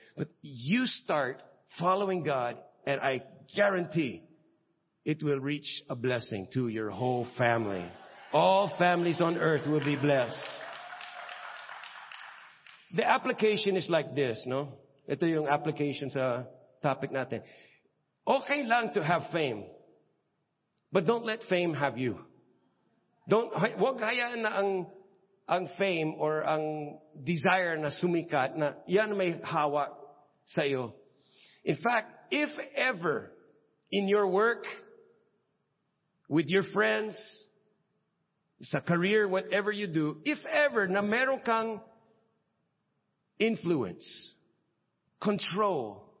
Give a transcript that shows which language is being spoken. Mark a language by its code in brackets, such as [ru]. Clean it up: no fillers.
[en] But you start following God and I guarantee it will reach a blessing to your whole family. All families on earth will be blessed. The application is like this, no? [tl] Ito yung application sa topic natin. [en] Okay lang to have fame. But don't let fame have you. Don't, [tl] huwag hayaan na ang fame or ang desire na sumikat na yan may hawak sa iyo. [en] In fact, if ever in your work, with your friends, [tl] sa career, [en] whatever you do, if ever [tl] na meron kang [en] influence, control.